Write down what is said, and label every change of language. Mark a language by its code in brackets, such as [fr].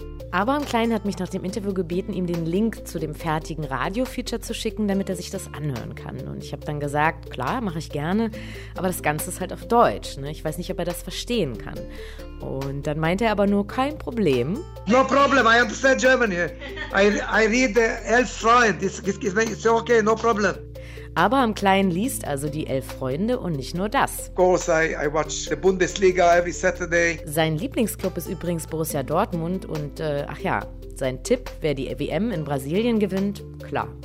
[de] Abraham Klein hat mich nach dem Interview gebeten, ihm den Link zu dem fertigen Radio-Feature zu schicken, damit er sich das anhören kann. Und ich habe dann gesagt, klar, mache ich gerne, aber das Ganze ist halt auf Deutsch. Ne? Ich weiß nicht, ob er das verstehen kann. Und dann meinte er aber nur, kein Problem. [en] No problem, I understand German here. I read the Elf Freund, it's okay, no problem. [de] Abraham Klein liest also die Elf Freunde und nicht nur das. [en] Of course, I watch the Bundesliga every Saturday. [de] Sein Lieblingsclub ist übrigens Borussia Dortmund und sein Tipp, wer die WM in Brasilien gewinnt, klar.